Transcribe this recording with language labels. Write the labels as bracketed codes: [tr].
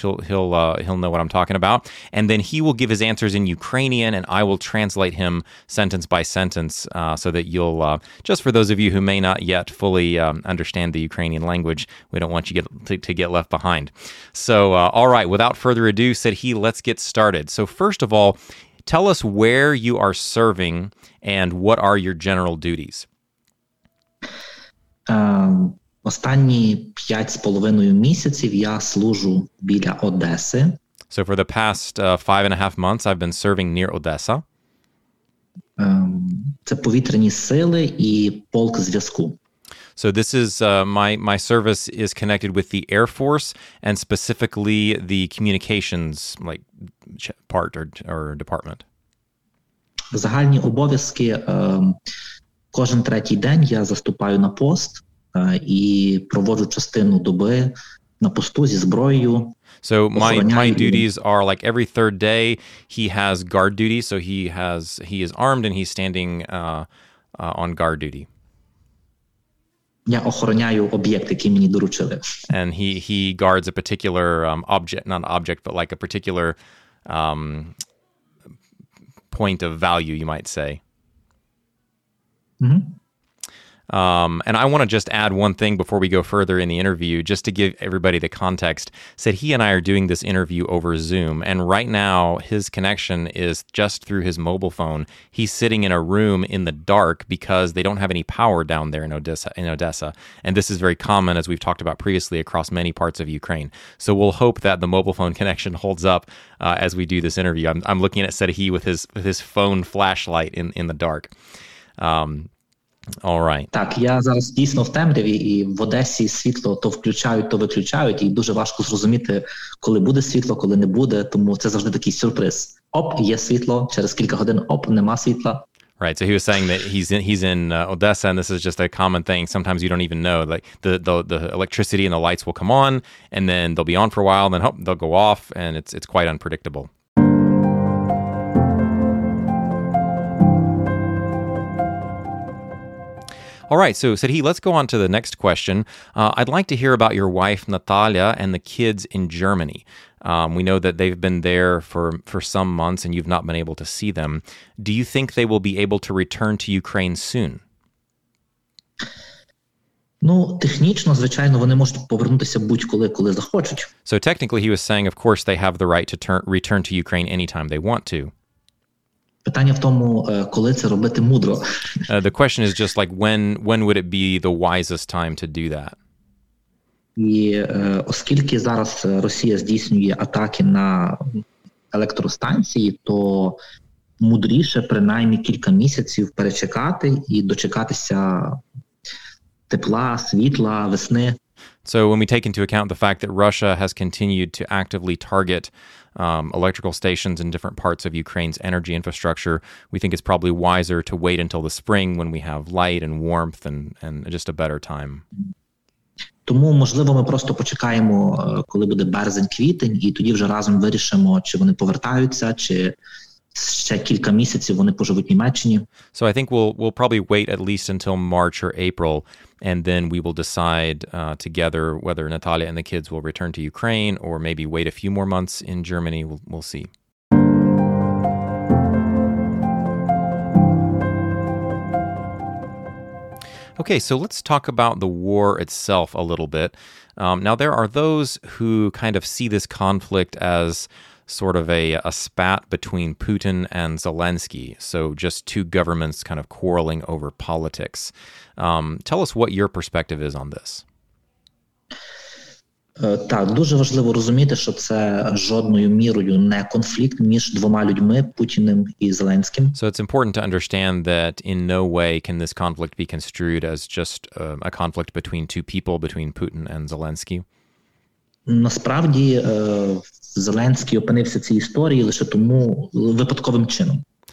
[en] He'll know what I'm talking about, and then he will give his answers in Ukrainian, and I will translate him sentence by sentence so that you'll, just for those of you who may not yet fully understand the Ukrainian language, we don't want you to get left behind. So, all right, without further ado, Serhii, let's get started. So first of all, tell us where you are serving and what are your general duties? [uk] Останні 5.5 місяців я служу біля Одеси. [en] So for the past 5.5 months, I've been serving near Odessa. [uk] Це повітряні сили і полк зв'язку. [en] So this is my service is connected with the Air Force and specifically the communications like part or department. [uk] Загальні обов'язки кожен третій день я заступаю на пост і проводжу частину доби на посту зі зброєю. [en] So my duties are like every third day he has guard duty, so he is armed and he's standing on guard duty. [uk] Я охороняю об'єкт, який мені доручили. [en] And he guards a particular object, not object, but like a particular point of value, you might say. Mm-hmm. And I want to just add one thing before we go further in the interview, just to give everybody the context. Serhii and I are doing this interview over Zoom, and right now his connection is just through his mobile phone. He's sitting in a room in the dark because they don't have any power down there in Odessa. And this is very common, as we've talked about previously, across many parts of Ukraine. So we'll hope that the mobile phone connection holds up as we do this interview. I'm looking at Serhii with his phone flashlight in the dark. All right. [uk] Так, я зараз дійсно в темряві, і в Одесі світло то включають, то виключають, і дуже важко зрозуміти, коли буде світло, коли не буде, тому це завжди такий сюрприз. Оп, є світло, через кілька годин, оп, нема світла. [en] Right, so he was saying that he's in Odessa, and this is just a common thing. Sometimes you don't even know, like the electricity and the lights will come on, and then they'll be on for a while, and then oh, they'll go off, and it's quite unpredictable. All right, so Serhii, let's go on to the next question. I'd like to hear about your wife, Natalia, and the kids in Germany. We know that they've been there for some months and you've not been able to see them. Do you think they will be able to return to Ukraine soon? [uk] Ну, технічно, звичайно, вони можуть повернутися будь-коли, коли захочуть. [en] So technically, he was saying, of course, they have the right to return to Ukraine anytime they want to. [uk] Питання в тому, коли це робити мудро. [en] The question is just like when would it be the wisest time to do that? [uk] І оскільки зараз Росія здійснює атаки на електростанції, то мудріше принаймні кілька місяців перечекати і дочекатися тепла, світла, весни. [en] So when we take into account the fact that Russia has continued to actively target electrical stations in different parts of Ukraine's energy infrastructure, we think it's probably wiser to wait until the spring when we have light and warmth and just a better time. [uk] Тому, можливо, ми просто почекаємо, коли буде березень-квітень, і тоді вже разом вирішимо, чи вони повертаються, чи ще кілька місяців вони поживуть в Німеччині. [en] So I think we'll probably wait at least until March or April, and then we will decide together whether Natalia and the kids will return to Ukraine or maybe wait a few more months in Germany. We'll see. Okay, so let's talk about the war itself a little bit. Now, there are those who kind of see this conflict as sort of a spat between Putin and Zelensky, so just two governments kind of quarreling over politics. Tell us what your perspective is on this. [uk] Так, дуже важливо розуміти, що це жодною мірою не конфлікт між двома людьми, Путіним і Зеленським. [en] So it's important to understand that in no way can this conflict be construed as just a conflict between two people, between Putin and Zelensky. [uk] Насправді, Зеленський опинився в цій історії лише тому випадковим чином.